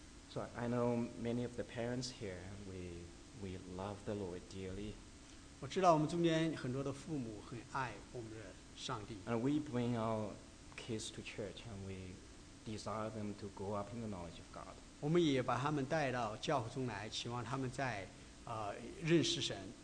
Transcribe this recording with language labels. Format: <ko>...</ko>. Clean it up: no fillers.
<en>So I know many of the parents here, we love the Lord dearly.</en> <zh>我知道我们中间很多的父母很爱我们的上帝。</zh> <en>And we bring our kids to church, and we desire them to grow up in the knowledge of God.</en> <zh>我们也把他们带到教会中来，期望他们在认识神。</zh>